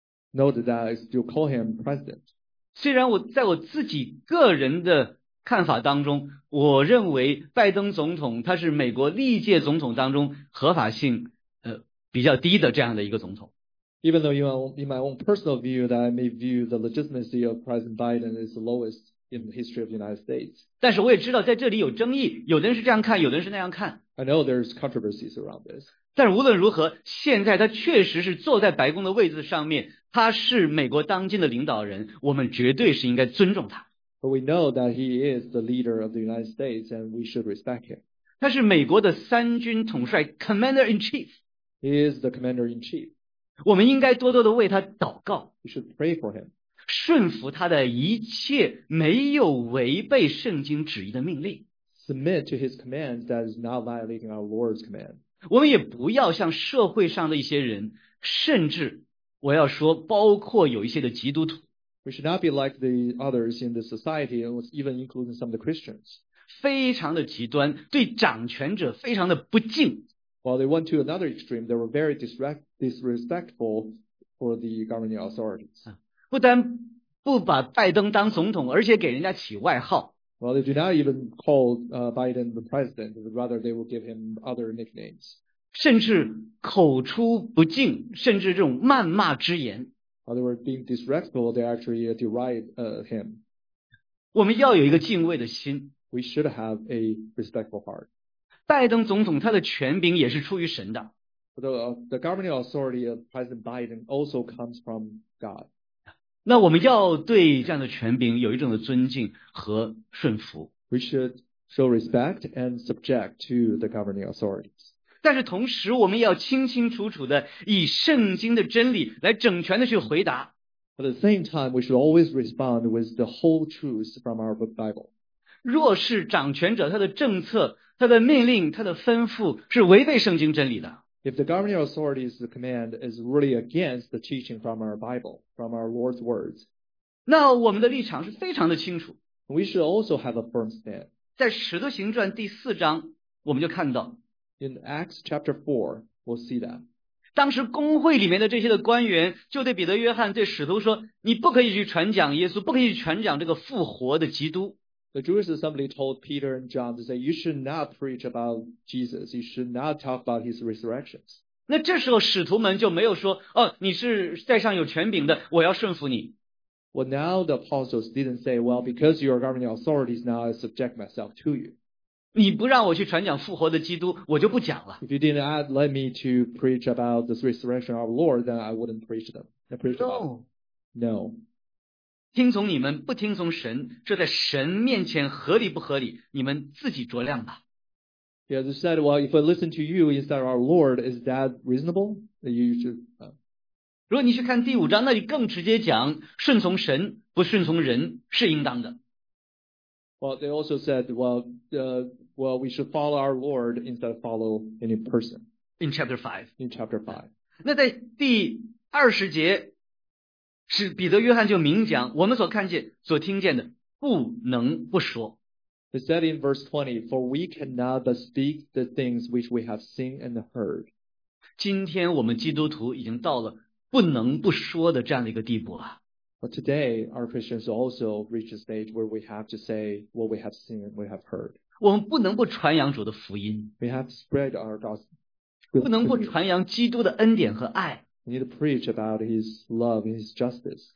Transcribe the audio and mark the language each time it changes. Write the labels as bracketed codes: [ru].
[en] Note that I still call him president. [zh] 虽然我在我自己个人的看法当中，我认为拜登总统他是美国历届总统当中合法性比较低的这样的一个总统。 [en] Even though in my own personal view that I may view the legitimacy of President Biden is the lowest in the history of the United States. [zh] 但是我也知道在这里有争议，有的人是这样看，有的人是那样看。 [en] I know there's controversies around this. [zh] 但是无论如何，现在他确实是坐在白宫的位置上面，他是美国当今的领导人，我们绝对是应该尊重他。 [en] But we know that he is the leader of the United States and we should respect him. [zh] 他是美国的三军统帅 [en] Commander in Chief. He is the Commander in Chief. [zh] 我们应该多多的为他祷告， [en] We should pray for him. [zh] 顺服他的一切没有违背圣经旨意的命令。 [en] Submit to his commands that is not violating our Lord's command. [zh] 我们也不要像社会上的一些人，甚至我要说，包括有一些的基督徒。 [en] We should not be like the others in the society, even including some of the Christians. [zh] 非常的极端，对掌权者非常的不敬。 [en] While they went to another extreme, they were very disrespectful for the governing authorities. [zh] 不单不把拜登当总统，而且给人家起外号。 [en] Well, they do not even call Biden the president, but rather they will give him other nicknames. [zh] 甚至口出不敬，甚至这种谩骂之言。 [en] While they were being disrespectful, they actually deride him. [zh] 我们要有一个敬畏的心。 [en] We should have a respectful heart. [zh] 拜登总统他的权柄也是出于神的。 [en] The governing authority of President Biden also comes from God. [zh] 那我们要对这样的权柄有一种的尊敬和顺服。 [en] We should show respect and subject to the governing authorities. [zh] 但是同时我们要清清楚楚的以圣经的真理来整全的去回答。 [en] But at the same time, we should always respond with the whole truth from our Bible. [zh] 若是掌权者他的政策他的命令他的吩咐是违背圣经真理的。 [en] If the governing authority's command is really against the teaching from our Bible, from our Lord's words, [zh] 那我们的立场是非常的清楚。 [en] We should also have a firm stand. [zh] 在使徒行传第四章我们就看到。 [en] In Acts chapter 4, we'll see that. [zh] 当时公会里面的这些的官员就对彼得约翰对使徒说，你不可以去传讲耶稣，不可以去传讲这个复活的基督。 [en] The Jewish assembly told Peter and John to say, you should not preach about Jesus. You should not talk about his resurrections. [zh] 那这时候使徒们就没有说，哦，你是在上有权柄的，我要顺服你。 [en] Well, now the apostles didn't say, well, because you are governing authorities, now I subject myself to you. [zh] 你不让我去传讲复活的基督，我就不讲了。 [en] If you didn't let me to preach about the resurrection of our Lord, then I wouldn't preach them. No. [zh] 听从你们不听从神，这在神面前合理不合理，你们自己酌量吧。 [en] Yeah, they said, well, if I listen to you instead of our Lord, is that reasonable? You should, [zh] 如果你去看第五章，那里更直接讲，顺从神，不顺从人，是应当的。 [en] Well, they also said, well, we should follow our Lord instead of follow any person. In chapter 5. In chapter 5. [zh] 那在第20节是彼得约翰就明讲我们所看见所听见的不能不说。 [en] He said in verse 20, for we cannot but speak the things which we have seen and heard. [zh] 今天我们基督徒已经到了不能不说的这样的一个地步了。 [en] But today, our Christians also reach a stage where we have to say what we have seen and we have heard. [zh] 我们不能不传扬主的福音。 [en] We have to spread our gospel. [zh] 不能不传扬基督的恩典和爱。 [en] We need to preach about his love and his justice.